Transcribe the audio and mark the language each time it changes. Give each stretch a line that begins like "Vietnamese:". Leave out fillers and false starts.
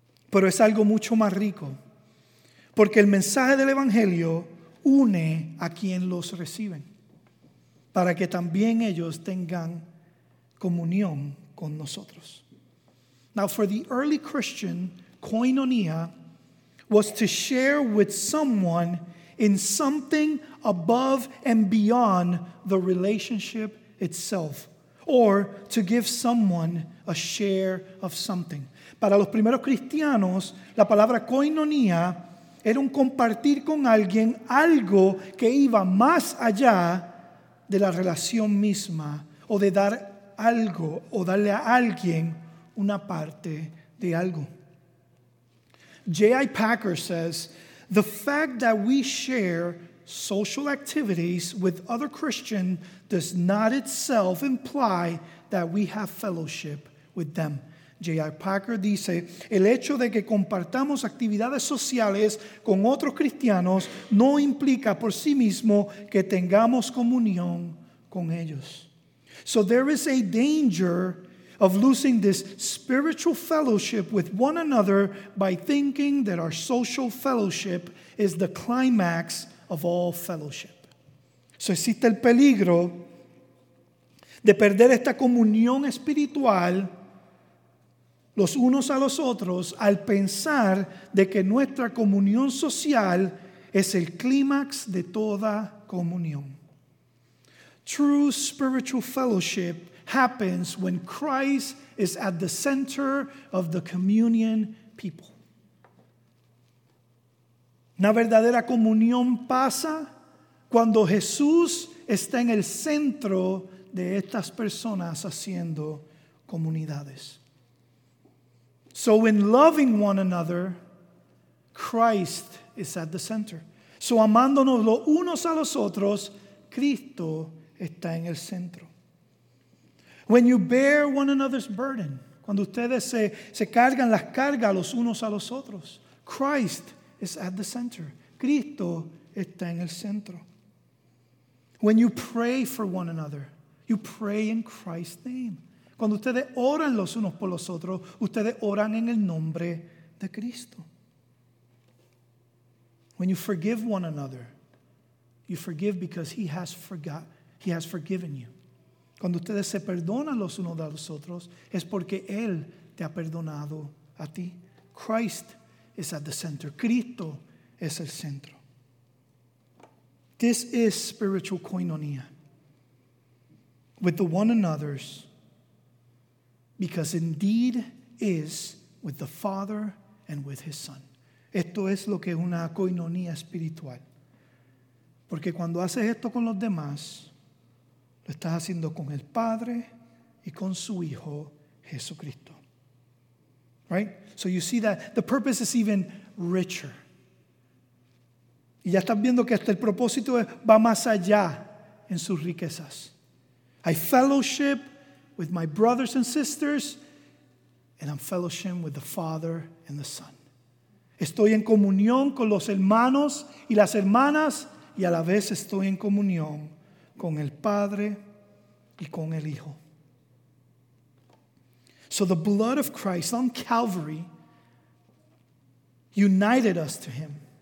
Spanish: Pero es algo mucho más rico, porque el mensaje del evangelio une a quien los reciben, para que también ellos tengan comunión con nosotros.
English: Now, for the early Christian, koinonia was to share with someone in something above and beyond the relationship itself, or to give someone a share of something.
Spanish: Para los primeros cristianos, la palabra koinonia era un compartir con alguien algo que iba más allá de la relación misma, o de dar algo, o darle a alguien una parte de algo.
English: J.I. Packer says, "The fact that we share social activities with other Christians does not itself imply that we have fellowship with them."
Spanish: J.I. Packer dice, "El hecho de que compartamos actividades sociales con otros cristianos no implica por sí mismo que tengamos comunión con ellos."
English: So there is a danger of losing this spiritual fellowship with one another by thinking that our social fellowship is the climax of all fellowship.
Spanish: So existe el peligro de perder esta comunión espiritual los unos a los otros al pensar de que nuestra comunión social es el clímax de toda comunión.
English: True spiritual fellowship happens when Christ is at the center of the communion people.
Spanish: Una verdadera comunión pasa cuando Jesús está en el centro de estas personas haciendo comunidades.
English: So in loving one another, Christ is at the center.
Spanish: So amándonos los unos a los otros, Cristo está en el centro.
English: When you bear one another's burden,
Spanish: cuando ustedes se cargan las cargas los unos a los otros,
English: Christ is at the center.
Spanish: Cristo está en el centro.
English: When you pray for one another, you pray in Christ's name.
Spanish: Cuando ustedes oran los unos por los otros, ustedes oran en el nombre de Cristo.
English: When you forgive one another, you forgive because he has forgiven you.
Spanish: Cuando ustedes se perdonan los unos a los otros, es porque Él te ha perdonado a ti.
English: Christ is at the center.
Spanish: Cristo es el centro.
English: This is spiritual koinonia. With the one another's, because indeed is with the Father and with His Son.
Spanish: Esto es lo que es una koinonia espiritual. Porque cuando haces esto con los demás, lo estás haciendo con el Padre y con su Hijo Jesucristo.
English: Right? So you see that the purpose is even richer.
Spanish: Y ya están viendo que hasta el propósito va más allá en sus riquezas.
English: I fellowship with my brothers and sisters, and I'm fellowship with the Father and the Son.
Spanish: Estoy en comunión con los hermanos y las hermanas, y a la vez estoy en comunión con el Padre y con el Hijo.
English: So the blood of Christ on Calvary united us to Him.